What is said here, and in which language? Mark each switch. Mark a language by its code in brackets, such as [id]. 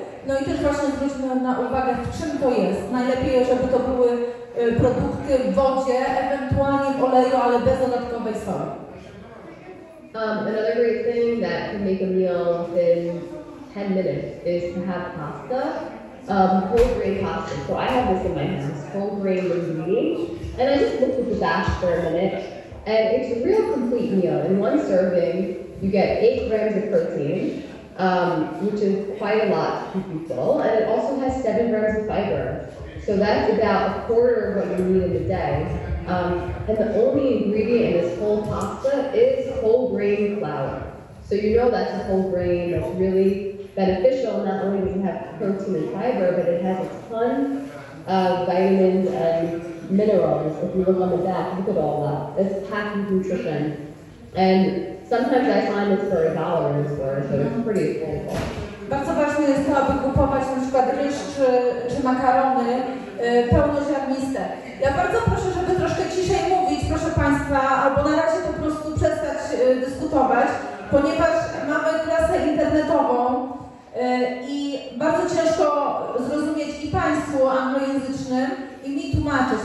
[pl] No i też właśnie zwróćmy na uwagę, w czym to jest. Najlepiej, żeby to były produkty w wodzie, ewentualnie w oleju, ale bez dodatkowej soli. [en] Another great thing that can make a meal within 10 minutes is to have pasta, whole grain pasta. So I have this in my house, whole grain linguine. And I just cook with the dash for a minute. And it's a real complete meal. In one serving, you get 8 grams of protein. Which is quite a lot to keep you full, and it also has 7 grams of fiber. So that's about a quarter of what you need in a day. And the only ingredient in this whole pasta is whole grain flour. So you know that's a whole grain that's really beneficial. Not only do you have protein and fiber, but it has a ton of vitamins and minerals. If you look on the back, look at all that. It's packed with nutrition. And sometimes I find it's for $1 in store, so it's pretty affordable. [pl] Bardzo ważne jest to, aby kupować na przykład ryż czy makarony pełnoziarniste. Ja bardzo proszę, żeby troszkę ciszej mówić, proszę Państwa, albo na razie po prostu przestać dyskutować, ponieważ mamy klasę internetową i bardzo ciężko zrozumieć i Państwu anglojęzycznym, i mi tłumaczyć.